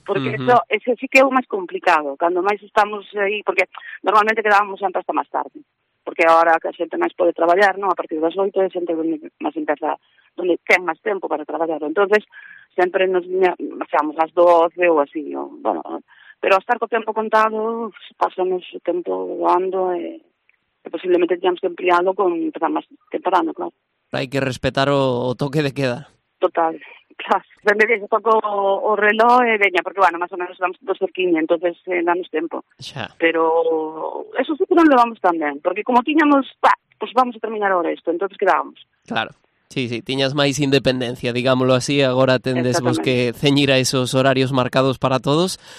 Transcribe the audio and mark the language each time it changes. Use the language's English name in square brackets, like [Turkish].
[Galician] Porque eso sí que é o máis complicado, cando máis estamos aí, porque normalmente quedábamos sempre hasta máis tarde, porque agora que a xente máis pode traballar, ¿no? A partir das 8, a xente donde ten máis tempo para traballar. Entonces sempre nos viñamos ás 12 ou así, ¿no? Bueno, pero a estar co tempo contado, pasamos o tempo voando e... [Spanish] posiblemente teníamos que ampliarlo con empezar más temprano, claro. Hay que respetar o toque de queda. Total, claro. Me dice un poco o reloj, veña, porque bueno, más o menos estamos dos cerquines, entonces damos tiempo. Ya. Pero eso sí que no lo vamos tan bien, porque como teníamos, pues vamos a terminar ahora esto, entonces quedábamos. [Galician] Claro, sí, sí, tiñas máis independencia, digámoslo así, agora tendes vos que ceñir a esos horarios marcados para todos.